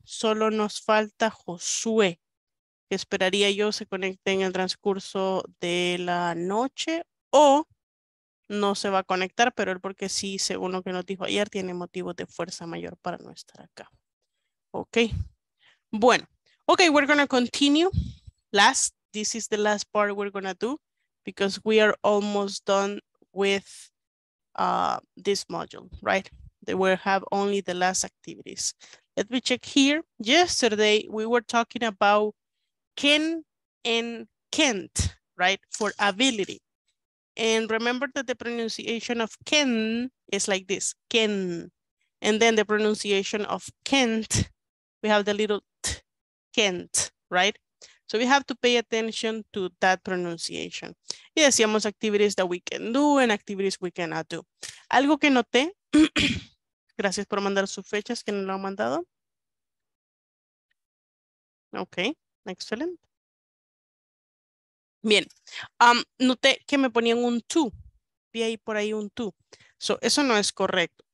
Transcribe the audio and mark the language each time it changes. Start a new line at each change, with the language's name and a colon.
Spanish: Solo nos falta Josué, que esperaría yo se conecte en el transcurso de la noche o no se va a conectar, pero él porque sí, según lo que nos dijo ayer, tiene motivos de fuerza mayor para no estar acá.
English: Ok, bueno. Ok, we're going to continue. Last, this is the last part we're going to do because we are almost done with this module, right? They will have only the last activities. Let me check here. Yesterday, we were talking about can and can't, right? For ability. And remember that the pronunciation of can is like this, can. And then the pronunciation of can't, we have the little t, can't, right? So we have to pay attention to that pronunciation.
Spanish: Y decíamos
English: activities that we can do and activities we cannot do.
Spanish: Algo que noté, gracias por mandar sus fechas, ¿quién lo ha mandado?
English: Ok, excellent.
Spanish: Bien, noté que me ponían un to. Vi ahí por ahí un to. So, eso no es correcto.